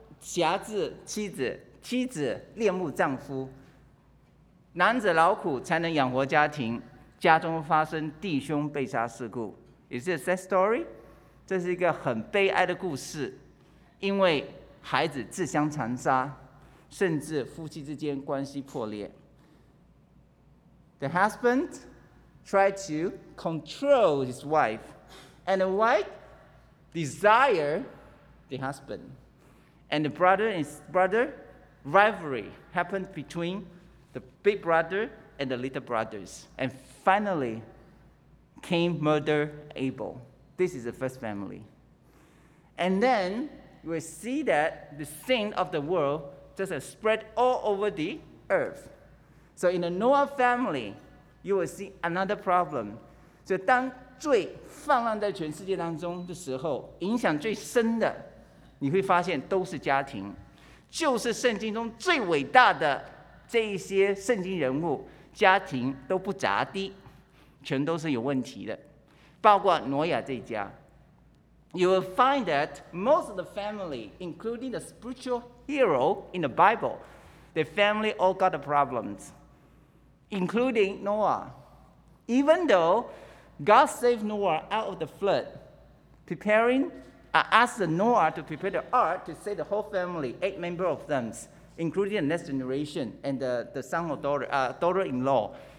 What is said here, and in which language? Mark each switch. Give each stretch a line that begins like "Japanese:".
Chinese: 瑕疵妻子，妻子恋慕丈夫，男子劳苦才能养活家庭，家中发生弟兄被杀事故。
English: Is this a story?
Chinese: 这是一个很悲哀的故事，因为孩子自相残杀，甚至夫妻之间关系破裂。
English: The husband tried to control his wife, and the wife desired the husbandAnd the brother and his brother rivalry happened between the big brother and the little brothers. And finally, Cain murdered Abel. This is the first family. And then we see that the sin of the world just has spread all over the earth. So in the Noah family, you will see another problem.
Chinese: So 当罪泛滥在全世界当中的时候，影响最深的。你会发现都是家庭，就是圣经中最伟大的这一些圣经人物，家庭都不咋地，全都是有问题的，包括挪亚这家。
English: You will find that most of the family, including the spiritual hero in the Bible, the family all got the problems, including Noah. Even though God saved Noah out of the flood, preparingI asked Noah to prepare the ark to save the whole family, eight members of them, including the next generation and the son or daughter-in-law.